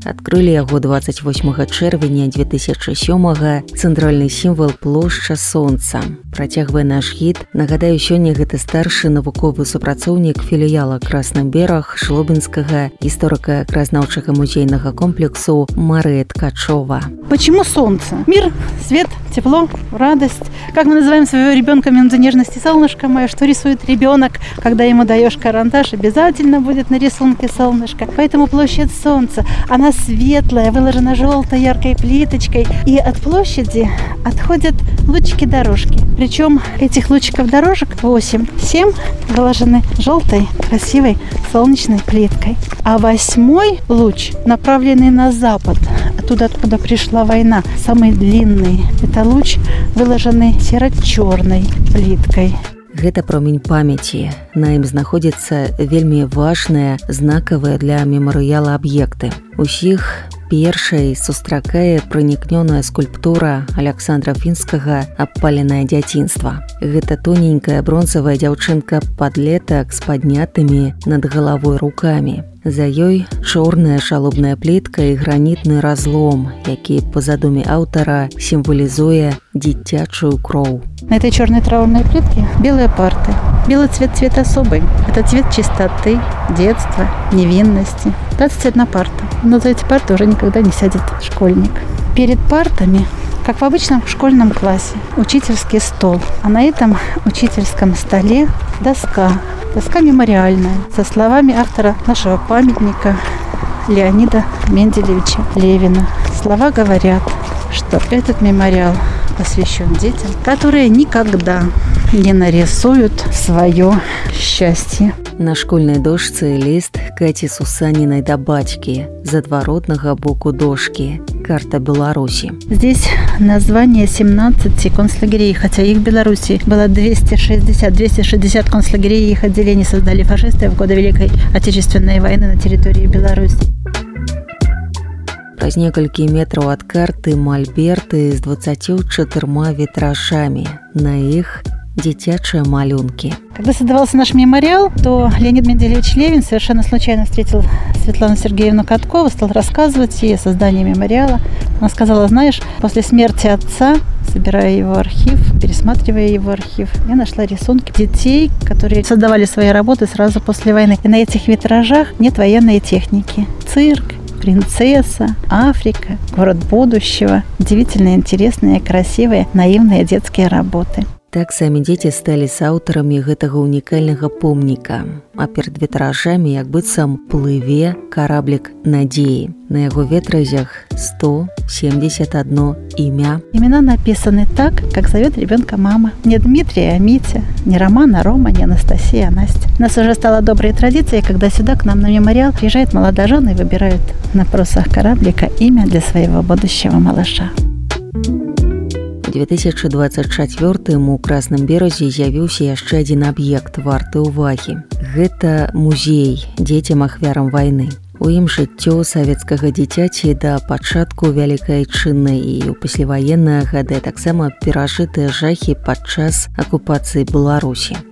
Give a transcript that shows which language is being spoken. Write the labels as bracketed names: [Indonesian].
[Belarusian] Адкрылі яго 28 чэрвеня 2007-га цэнтральны сімвал плошча сонца. Працягвае наш гід. Нагадаю, сёння гэта старшы навуковы супрацоўнік філіяла «Красны бераг» Шлобінскага, гісторыка краязнаўчага музейнага комплексу Марыя Ткачова. [Russian] Почему солнце? Мир, свет, тепло, радость. Как мы называем своего ребенка, минуты нежности, солнышко мое, что рисует ребенок, когда ему даешь карандаш, обязательно будет на рисунке солнышко. Поэтому площадь солнца, она светлая, выложена желтой яркой плиточкой. И от площади отходят лучики-дорожки. Причем этих лучиков-дорожек 8, 7 выложены желтой, красивой солнечной плиткой. А 8-й луч, направленный на запад, оттуда, откуда пришла война, самый длинный, это луч, выложенный серо-черной плиткой. [Belarusian] Гэта промень памяці. На ім знаходзіцца вельмі важныя, знакавыя для мемарыяла аб'екты. Усіх першай сустракае пранікнёная скульптура Аляксандра Фінскага «Абпаленае дзяцінства». Гэта тоненькая бронзавая дзяўчынка падлетак з паднятымі над галавой рукамі. За ёй чорная шалубная плітка і гранітны разлом, які па задуме аўтара сімвалізуе дзіцячую кроў. [Russian] На этой черной траурной плитке белые парты. Белый цвет – цвет особый. Это цвет чистоты, детства, невинности. Это цвет на парту. Но за эти парты уже никогда не сядет школьник. Перед партами, как в обычном школьном классе, учительский стол. А на этом учительском столе доска. Доска мемориальная. Со словами автора нашего памятника Леонида Менделеевича Левина. Слова говорят, что этот мемориал посвящен детям, которые никогда не нарисуют свое счастье. [Belarusian] На школьной дошцы лист Кэти Сусаниной до батьки з адваротнага боку дошки. [Russian] Карта Беларуси. Здесь название 17 концлагерей, хотя их в Беларуси было 260 концлагерей, их отделений создали фашисты в годы Великой Отечественной войны на территории Беларуси. [Belarusian] Праз некалькі метраў ад карты мальберты з 24 вітражамі. На іх дзіцячыя малюнкі. [Russian] Когда создавался наш мемориал, то Леонид Менделеевич Левин совершенно случайно встретил Светлану Сергеевну Каткову, стал рассказывать ей о создании мемориала. Она сказала, знаешь, после смерти отца, собирая его архив, пересматривая его архив, я нашла рисунки детей, которые создавали свои работы сразу после войны. И на этих витражах нет военной техники. Цирк, принцесса, Африка, город будущего. Удивительные, интересные, красивые, наивные детские работы. [Belarusian] Так самі дзеці сталі саўтарамі гэтага ўнікальнага помніка. А перад вітражамі як быццам плыве караблік надзеі. На яго ветразях 171 імя. Імена напісаны так, як [Russian] завёт ребёнка [Belarusian] мама. Не Дмітрія, а Міця. Не Романа, а Рома, не Анастасія, а Настя. [Russian] У нас уже стала добрая традиция, когда сюда к нам на мемориал приезжают молодожёны и выбирают на просах караблика имя для своего будущего малыша. [Belarusian] У 2024-м у Красным Беразе з'явіўся яшчэ адзін аб'ект варты ўвагі. Гэта музей дзецям ахвярам вайны. У ім жыццё савецкага дзіцяці да пачатку вялікай айчыннай і ў пасляваенныя гады таксама перажытыя жахі падчас акупацыі Беларусі.